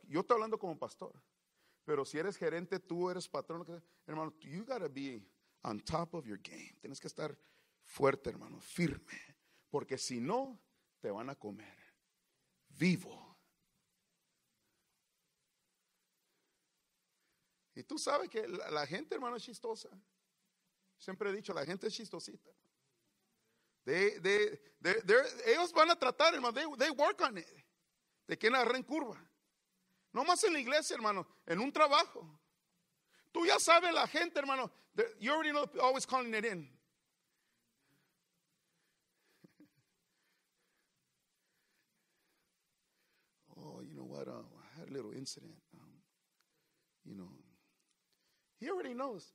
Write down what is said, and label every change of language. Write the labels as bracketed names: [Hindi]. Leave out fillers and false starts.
[Spanish] Yo estoy hablando como pastor, pero si eres gerente, tú eres patrón, hermano, [English] you gotta be on top of your game. [Spanish] Tienes que estar fuerte, hermano, firme, porque si no, te van a comer vivo. Y tú sabes que la gente, hermano, es chistosa. Siempre he dicho, la gente es chistosita. Ellos van a tratar, hermano, [English] they work on it. [Spanish] De quien agarra en curva. No más en la iglesia, hermano, en un trabajo. Tú ya sabes la gente, hermano. [English] You already know, always calling it in. Oh, you know what? I had a little incident. You know. He already knows.